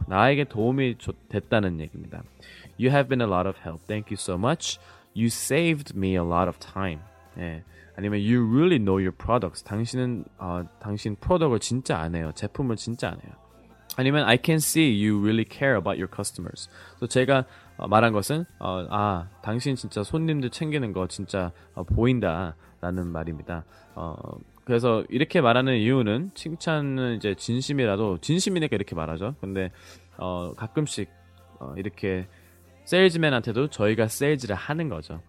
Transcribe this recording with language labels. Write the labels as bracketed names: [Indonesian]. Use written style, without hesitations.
[Korean] 나에게 도움이 됐다는 얘기입니다. [English] You have been a lot of help. Thank you so much. You saved me a lot of time. 네. 아니면 you really know your products. [Korean] 당신은 당신 프로덕트를 진짜 아네요. 제품을 진짜 아네요. [English] 아니면 I can see you really care about your customers. [Korean] 또 제가 말한 것은 당신 진짜 손님들 챙기는 거 진짜 보인다라는 말입니다. 그래서 이렇게 말하는 이유는 칭찬은 이제 진심이라도 진심이니까 이렇게 말하죠. 근데 가끔씩 이렇게 세일즈맨한테도 저희가 세일즈를 하는 거죠.